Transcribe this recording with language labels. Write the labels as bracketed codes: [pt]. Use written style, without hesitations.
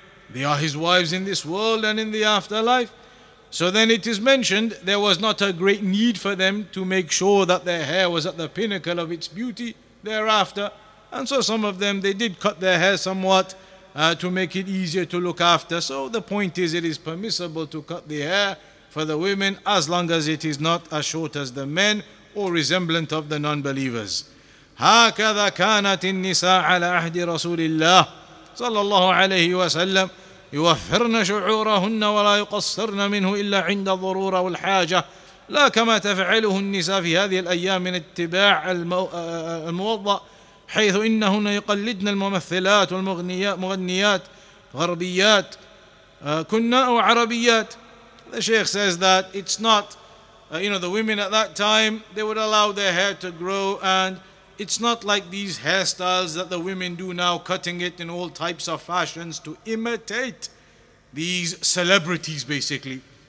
[en] They are his wives in this world and in the afterlife. So then it is mentioned, there was not a great need for them to make sure that their hair was at the pinnacle of its beauty thereafter. And so some of them, they did cut their hair somewhat to make it easier to look after. So the point is, it is permissible to cut the hair for the women, as long as it is not as short as the men or resemblant of the non-believers. [ar] هكذا كانت النساء على عهد رسول الله صلى الله عليه وسلم يوفرن شعورهن ولا يقصرن منه إلا عند الضرورة والحاجة، لا كما تفعله النساء في هذه الأيام من اتباع الموضأ، حيث إنهن يقلدن الممثلات والمغنيات غربيات كنا أو عربيات. [en] The Sheikh says that it's not, you know, the women at that time, they would allow their hair to grow, and it's not like these hairstyles that the women do now, cutting it in all types of fashions to imitate these celebrities, basically.